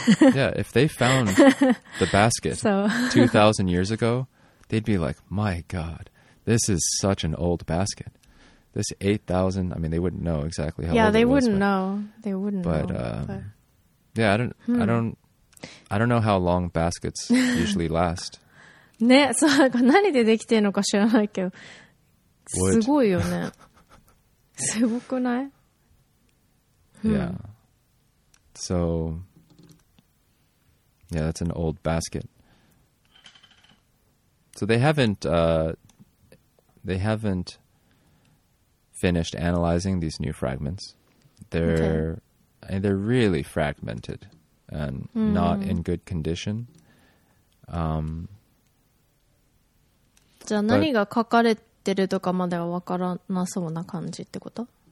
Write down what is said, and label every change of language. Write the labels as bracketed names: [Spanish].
[English] Yeah, if they found the basket 2,000 years ago,they'd be like, my God, this is such an old basket. This 8,000, I mean, they wouldn't know exactly how old it was. Yeah, they wouldn't know. They wouldn't know. But yeah, I don't know how long baskets usually last. [Japanese] ね、そうか、何でできてるのか知らないけど、すごいよね。すごくない？ [English] Yeah. So, yeah, that's an old basket. So they haven't finished analyzing these new fragments. They're、 And they're really fragmented and not in good condition. [Japanese] じゃあ何が書かれてるとかまでは分からなそうな感じってこと？